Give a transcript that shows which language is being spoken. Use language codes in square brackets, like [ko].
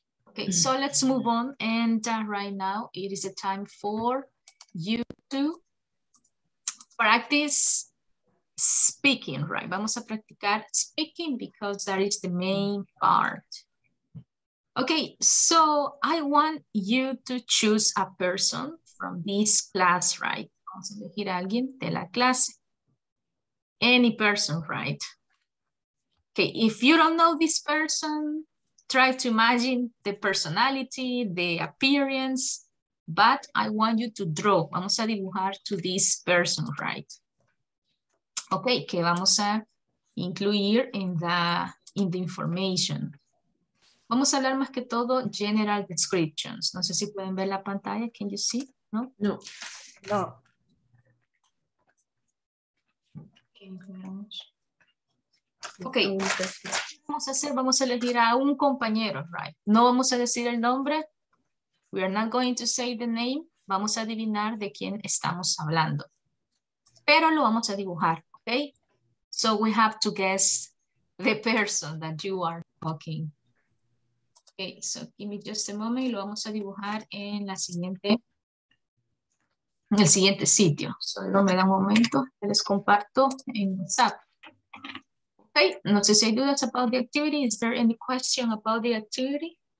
[en] Okay, so let's move on, and right now it is a time for you to practice speaking, right? [es] Vamos a practicar [en] speaking because that is the main part. Okay, so I want you to choose a person from this class, right? [es] Vamos a elegir a alguien de la clase. [en] Any person, right? Okay, if you don't know this person, try to imagine the personality, the appearance, but I want you to draw. [es] Vamos a dibujar [en] to this person, right? [es] Okay, que vamos a incluir [en] in the information. [es] Vamos a hablar más que todo general descriptions. No sé si pueden ver la pantalla. [en] Can you see? No? [es] No. No. Okay. Vamos a hacer, vamos a elegir a un compañero, right? No vamos a decir el nombre. [en] We are not going to say the name. [es] Vamos a adivinar de quién estamos hablando. Pero lo vamos a dibujar, [en] okay? So we have to guess the person that you are talking. Okay, so give me just a moment [es] y lo vamos a dibujar en la siguiente, en el siguiente sitio. Solo me da un momento, les comparto en WhatsApp. [en] Okay, [es] no sé si hay dudas [en] about the activity. Is there any question about the activity?